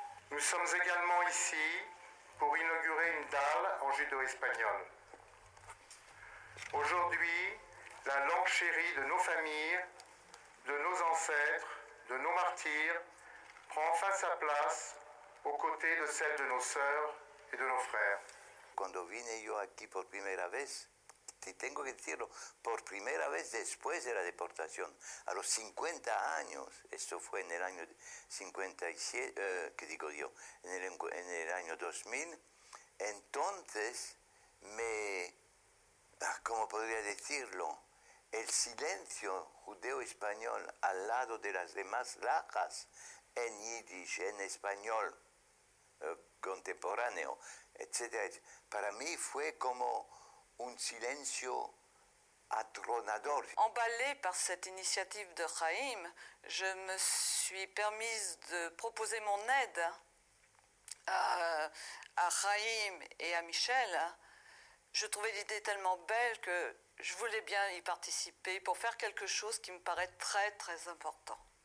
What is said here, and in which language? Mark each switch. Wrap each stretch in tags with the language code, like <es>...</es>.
<fr>Nous sommes également ici pour inaugurer une dalle en judo-espagnol. Aujourd'hui, la langue chérie de nos familles, de nos ancêtres, de nos martyrs, prend enfin sa place aux côtés de celle de nos sœurs et de nos frères.</fr> <es>Cuando vine yo aquí por primera vez, te tengo que decirlo, por primera vez después de la deportación, a los 50 años, esto fue en el año 57, en el año 2000, entonces me, ¿cómo podría decirlo? El silencio judeo-español al lado de las demás lajas, en yiddish, en español, contemporáneo, etcétera, etcétera, para mí fue como un silencio atronador.</es> <fr>Emballée par cette initiative de Chaim, je me suis permise de proposer mon aide à Chaim et à Michel. Je trouvais l'idée tellement belle que je voulais bien y participer pour faire quelque chose qui me paraît très très important.</fr>